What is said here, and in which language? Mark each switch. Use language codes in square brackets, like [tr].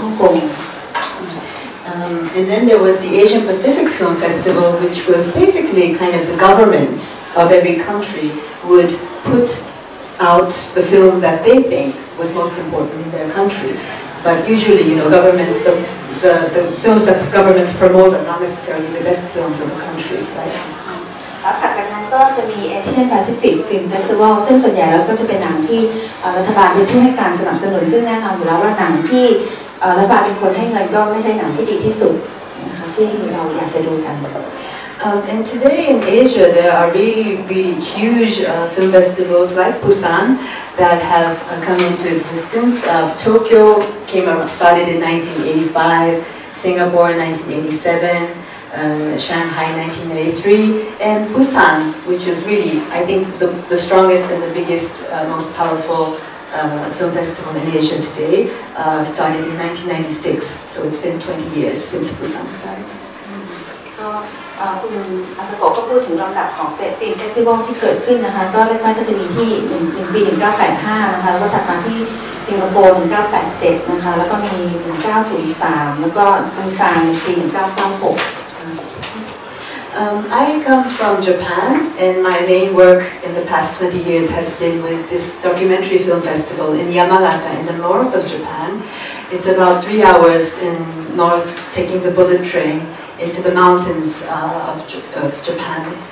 [en] And then there was the Asian Pacific Film Festival, which was basically kind of the governments of every country would put out the film that they think was most important in their country. But usually, you know, governments, the films that the governments promote are not necessarily the best films of a country, right? [th] หลังจากนั้นก็จะมี Asian Pacific Film Festival ซึ่งส่วนใหญ่แล้วก็จะเป็นหนังที่รัฐบาลเป็นผู้ให้การสนับสนุนซึ่งแน่นอนอยู่แล้วว่าหนังที่รัฐบาลเป็นคนให้เงินก็ไม่ใช่หนังที่ดีที่สุดนะคะที่เราอยากจะดูกัน [en] And today in Asia there are really really huge film festivals like Busan that have come into existence Tokyo started in 1985 Singapore in 1987Shanghai 1983 and Busan, which is really, I think, the strongest and the biggest, most powerful film festival in Asia today, started in 1996. So it's been 20 years since Busan started. [th] คุณอาจารย์ก็พูดถึงลำดับของเฟสติวัลที่เกิดขึ้นนะคะก็แรกๆก็จะมีที่1ปี1985นะคะแล้วก็ถัดมาที่สิงคโปร์1987นะคะแล้วก็มี1903แล้วก็บูซานปี1996 [en] I come from Japan, and my main work in the past 20 years has been with this documentary film festival in Yamagata, in the north of Japan. It's about 3 hours in north, taking the bullet train into the mountains of Japan.